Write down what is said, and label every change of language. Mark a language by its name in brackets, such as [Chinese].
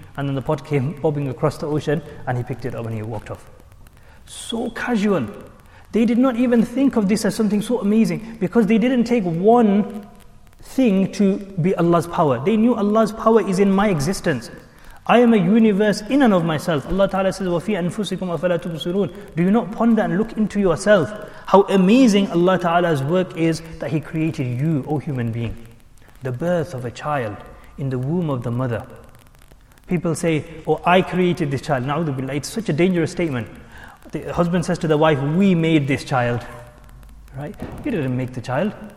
[English] And then the pot came bobbing across the ocean and he picked it up and he walked off. So casual. They did not even think of this as something so amazing, because they didn't take one thing to be Allah's power. They knew Allah's power is in my existence. I am a universe in and of myself. Allah Ta'ala says, [Arabic] وَفِي أَنفُسِكُمْ أَفَلَا تُبْصِرُونَ. [English] Do you not ponder and look into yourself how amazing Allah Ta'ala's work is, that He created you, O human being. The birth of a child in the womb of the mother. People say, oh, I created this child. Na'udhu billah. It's such a dangerous statement. The husband says to the wife, we made this child. Right? You didn't make the child.